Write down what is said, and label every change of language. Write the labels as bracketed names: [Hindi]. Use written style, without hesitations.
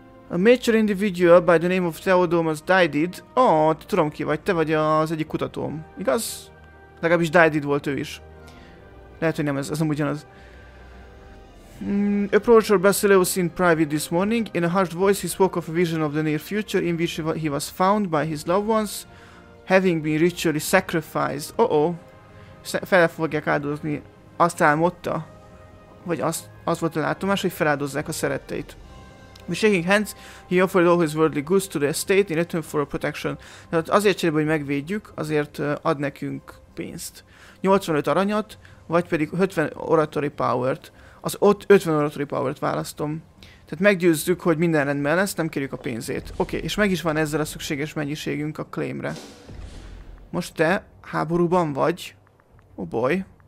[English] A major individual by the name of Theodomus Dided. [Hungarian] Tudom ki vagy, te vagy az egyik kutatóm, igaz? Legalábbis Dided volt ő is. Lehet, hogy nem ez, ez nem ugyanaz. [English] Approached our Basileus in private this morning. In a hushed voice he spoke of a vision of the near future in which he was found by his loved ones. Having been ritually sacrificed. [Hungarian] Fel fogják áldozni azt álmodta? Vagy az volt a látomás, hogy feláldozzák a szeretteit. [English] With shaking hands, he offered all his worldly goods to the estate in return for a protection. [Hungarian] Tehát azért cserébe, hogy megvédjük, azért ad nekünk pénzt. 85 aranyat, vagy pedig 50 oratory powert. az ott 50 oratory power-t választom. Tehát meggyőzzük, hogy minden rendben lesz, nem kérjük a pénzét. Oké, és meg is van ezzel a szükséges mennyiségünk a claimre. Most te háborúban vagy. Oh boy.